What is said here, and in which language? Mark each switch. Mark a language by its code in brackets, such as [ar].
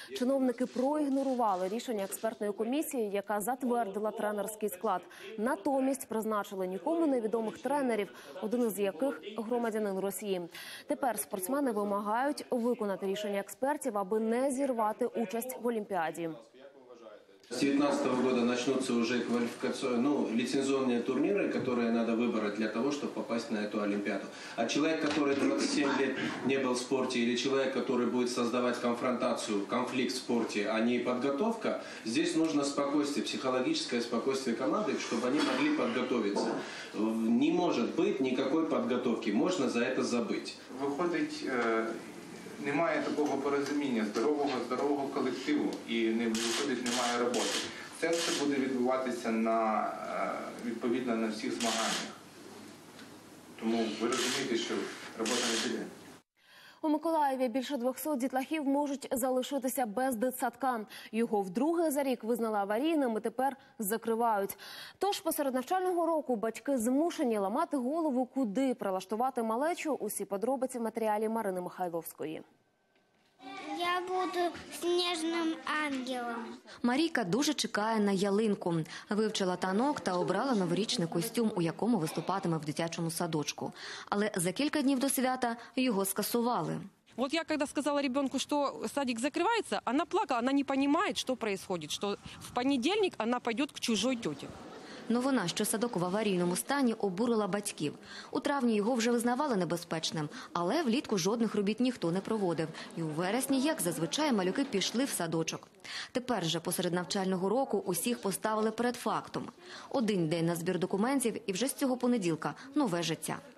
[uk] Чиновники проігнорували рішення експертної комісії, яка затвердила тренерський склад. Натомість призначили нікому невідомих тренерів, один із яких – громадянин Росії. Тепер спортсмени вимагають виконати рішення експертів, аби не зірвати участь в Олімпіаді. [ru] С 19-го года начнутся уже лицензионные турниры, которые надо выбрать для того, чтобы попасть на эту Олимпиаду. А человек, который 27 лет не был в спорте, или человек, который будет создавать конфронтацию, конфликт в спорте, а не подготовка, здесь нужно спокойствие, психологическое спокойствие команды, чтобы они могли подготовиться. Не может быть никакой подготовки, можно за это забыть. Выходит... [uk] Немає такого порозуміння здорового колективу і не виходить, немає роботи. Це все буде відбуватися відповідно на всіх змаганнях. Тому ви розумієте, що робота не піде. У Миколаєві більше 200 дітлахів можуть залишитися без дитсадка. Його вдруге за рік визнали аварійним і тепер закривають. Тож, посеред навчального року батьки змушені ламати голову, куди прилаштувати малечу. Усі подробиці в матеріалі Марини Михайловської. Я буду сніжним ангелом. Марійка дуже чекає на ялинку. Вивчила танок та обрала новорічний костюм, у якому виступатиме в дитячому садочку. Але за кілька днів до свята його скасували. [ru] Вот я когда сказала ребенку, что садик закрывается, она плакала, она не понимает, что происходит, что в понедельник она пойдет к чужой тете. [uk] Новина, що садок в аварійному стані, обурила батьків. У травні його вже визнавали небезпечним, але влітку жодних робіт ніхто не проводив. І у вересні, як зазвичай, малюки пішли в садочок. Тепер же посеред навчального року усіх поставили перед фактом. Один день на збір документів і вже з цього понеділка нове життя.